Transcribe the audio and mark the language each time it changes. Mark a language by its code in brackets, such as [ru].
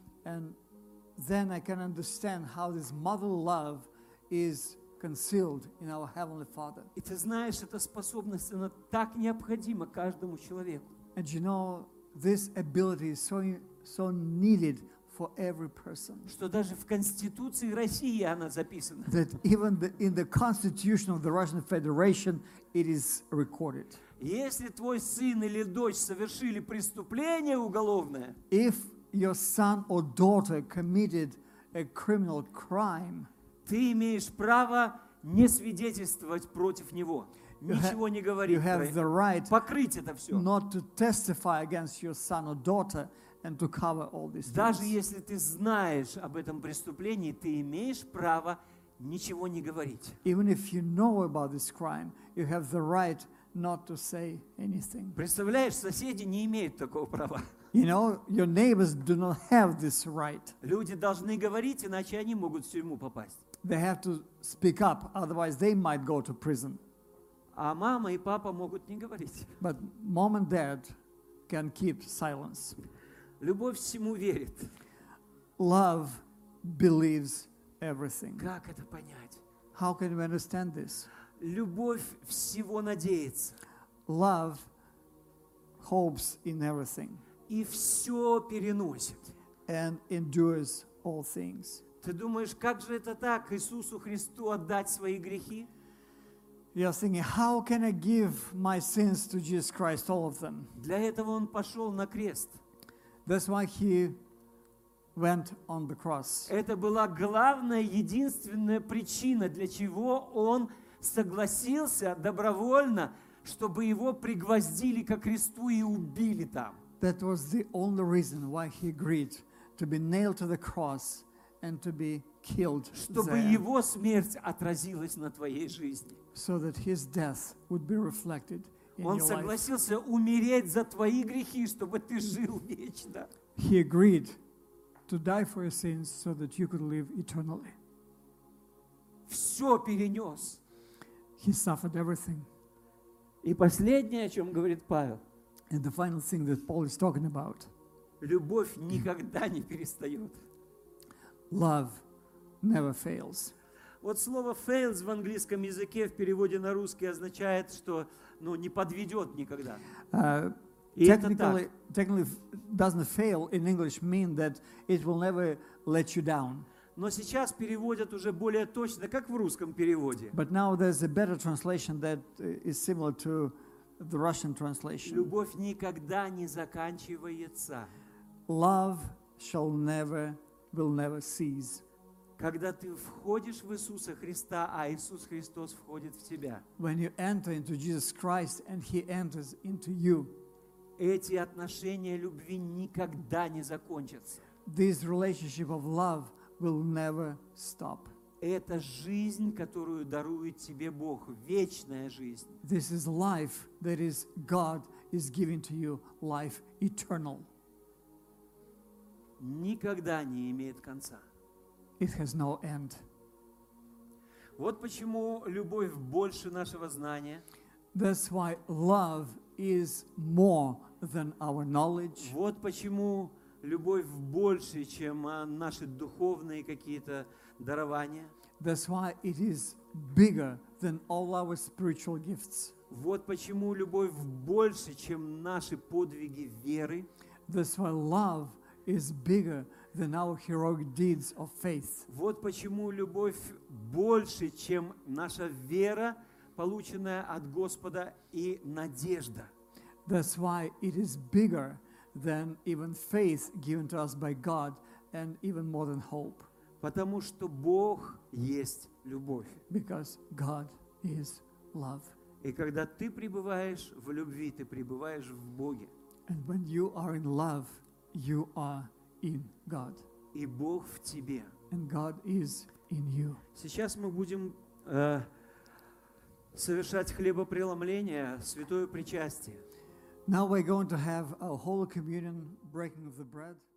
[en] And then I can understand how this mother love is concealed in our Heavenly Father. [ru] И ты знаешь, эта способность, она так необходима каждому человеку. [en] And you know, this ability is so needed for every person. [ru] Что даже в Конституции России она записана. [en] That even in the Constitution of the Russian Federation it is recorded. [ru] Если твой сын или дочь совершили преступление уголовное, [en] if your son or daughter committed a criminal crime, [ru] ты имеешь право не свидетельствовать против него. Ничего не говорить. [en] You have the right [ru] покрыть это все. [en] Not to testify against your son or daughter and to cover all these things. [ru] Даже если ты знаешь об этом преступлении, ты имеешь право ничего не говорить. [en] Even if you know about this crime, you have the right not to say anything. [ru] Представляешь, соседи не имеют такого права. [en] You know, your neighbors do not have this right. [ru] Люди должны говорить, иначе они могут в тюрьму попасть. [en] They have to speak up, otherwise they might go to prison. [ru] А мама и папа могут не говорить. [en] But mom and dad can keep silence. [ru] Любовь всему верит. [en] Love believes everything. [ru] Как это понять? [en] How can we understand this? [ru] Любовь всего надеется. [en] Love hopes in everything. [ru] И все переносит. [en] And endures all things. [ru] Ты думаешь, как же это так, Иисусу Христу отдать свои грехи? [en] You're thinking, how can I give my sins to Jesus Christ, all of them? [ru] Для этого он пошел на крест. [en] That's why he went on the cross. [ru] Это была главная, единственная причина, для чего он согласился добровольно, чтобы его пригвоздили ко кресту и убили там. [en] That was the only reason why he agreed to be nailed to the cross and to be killed. [ru] Чтобы [en] there. [ru] Его смерть отразилась на твоей жизни. [en] So that his death would be reflected in [ru] он [en] your [ru] согласился [en] life. [ru] Умереть за твои грехи, чтобы ты жил вечно. [en] He agreed to die for your sins so that you could live eternally. [ru] Все перенес. [en] He suffered everything. [ru] И последнее, о чем говорит Павел. [en] And the final thing that Paul is talking about. [ru] Любовь никогда не перестает. [en] Love never fails. [ru] Вот слово fails в английском языке в переводе на русский означает, что ну, не подведет никогда. [en] Technically, doesn't fail in English mean that it will never let you down. [ru] Но сейчас переводят уже более точно, как в русском переводе. [en] But now there's a better translation that is similar to the Russian translation. [ru] Любовь никогда не заканчивается. [en] Love shall never, will never cease. [ru] Когда ты входишь в Иисуса Христа, а Иисус Христос входит в тебя. [en] When you enter into Jesus Christ and He enters into you. [ru] Эти отношения любви никогда не закончатся. [en] This relationship of love will never stop. [ru] Это жизнь, которую дарует тебе Бог, вечная жизнь. [en] This is life that is God is giving to you, life eternal. [ru] Никогда не имеет конца. [en] It has no end. [ru] Вот почему любовь больше нашего знания. [en] That's why love is more than our knowledge. [ru] Вот почему любовь больше, чем наши духовные какие-то дарования. [en] That's why it is bigger than all our spiritual gifts. [ru] Вот почему любовь больше, чем наши подвиги веры. [en] That's why love is bigger than our heroic deeds of faith. [ru] Вот почему любовь больше, чем наша вера, полученная от Господа, и надежда. [en] That's why it is bigger than even faith given to us by God and even more than hope. [ru] Потому что Бог есть любовь. [en] Because God is love. [ru] И когда ты пребываешь в любви, ты пребываешь в Боге. [en] And when you are in love, you are in God. [ru] И Бог в тебе. [en] And God is in you. [ru] Сейчас мы будем совершать хлебопреломление, святое причастие. [en] Now we're going to have a holy communion, breaking of the bread.